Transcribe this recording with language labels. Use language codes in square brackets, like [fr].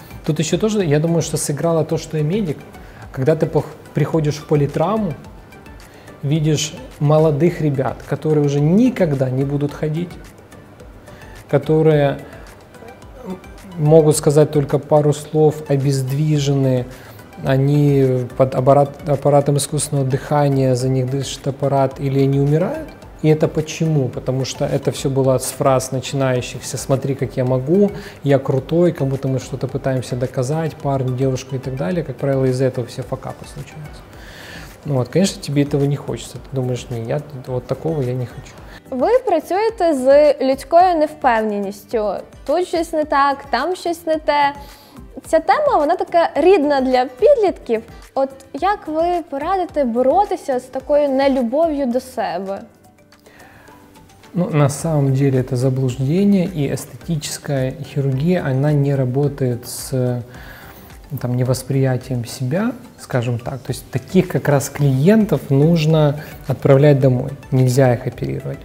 [ru] Тут еще тоже, я думаю, что сыграло то, что я медик. Когда ты приходишь в политравму, видишь молодых ребят, которые уже никогда не будут ходить, которые могут сказать только пару слов, обездвижены, они под аппаратом искусственного дыхания, за них дышит аппарат, или они умирают. И это почему? Потому что это все было с фраз начинающихся «смотри, как я могу», «я крутой», как будто мы что-то пытаемся доказать, парню, девушку и так далее. Как правило, из-за этого все факапы случаются. Ну вот, конечно, тебе этого не хочется. Ты думаешь, не, я вот такого я не хочу. [uk] Ви працюєте з людською невпевненістю. Тут щось не так, там щось не те. Ця тема, вона така рідна для підлітків. От як ви порадите боротися з такою нелюбов'ю до себе? [ru] Ну, на самом деле это заблуждение, и эстетическая хирургия, она не работает с там, невосприятием себя, скажем так. То есть таких как раз клиентов нужно отправлять домой, нельзя их оперировать.